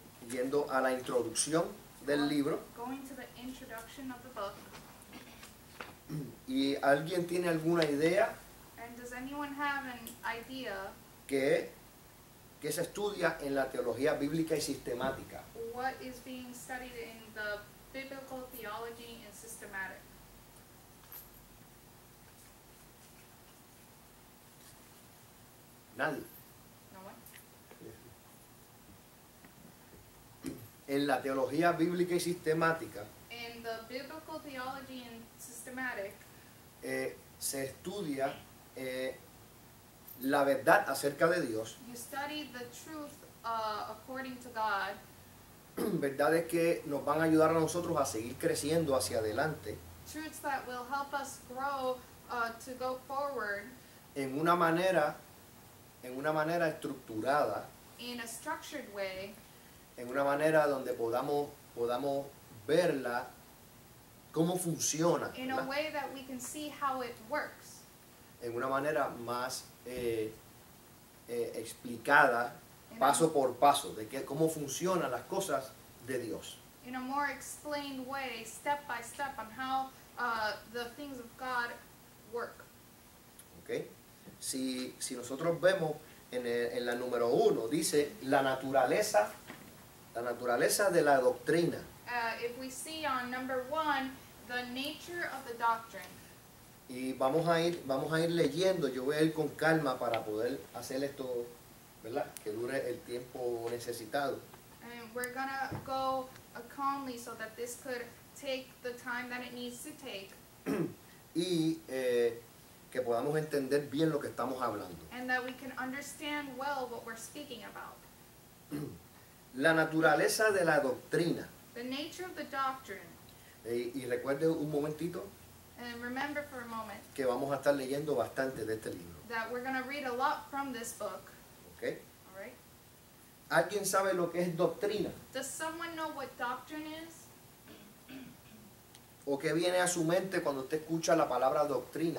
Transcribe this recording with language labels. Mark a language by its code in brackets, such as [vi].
[es] Yendo a la introducción del libro. [en] Going to the introduction of the book. [es] ¿Y alguien tiene alguna idea? [en] And does anyone have an idea? [es] ¿Qué se estudia en la teología bíblica y sistemática? [en] What is being studied in the biblical theology and systematic? [es] Nadie. [en] No. [es] En la teología bíblica y sistemática. [en] In the biblical theology and systematic. [es] Se estudia la verdad acerca de Dios. [en] You study the truth according to God. [es] Verdades que nos van a ayudar a nosotros a seguir creciendo hacia adelante. [en] Truths that will help us grow to go forward. [es] En una manera estructurada. [en] In a structured way. [es] En una manera donde podamos verla cómo funciona. [en] In a way that we can see how it works. [es] En una manera más explicada, paso por paso, de que cómo funcionan las cosas de Dios. [en] In a more explained way, step by step, on how the things of God work. Okay. [es] Si nosotros vemos en la número uno, dice la naturaleza de la doctrina. [en] If we see on number one, the nature of the doctrine. [es] Y vamos a ir leyendo, yo voy a ir con calma para poder hacer esto, ¿verdad?, que dure el tiempo necesitado. [en] And we're gonna go calmly so that this could take the time that it needs to take. [es] Y que podamos entender bien lo que estamos hablando. [en] And that we can understand well what we're speaking about. [es] La naturaleza de la doctrina. [en] The nature of the doctrine. [es] Y recuerde un momentito. [en] And remember for a moment. [es] Que vamos a estar leyendo bastante de este libro. [en] That we're going to read a lot from this book. Okay. All right. [es] ¿Alguien sabe lo que es doctrina? [en] Does someone know what doctrine is? [es] ¿O qué viene a su mente cuando usted escucha la palabra doctrina?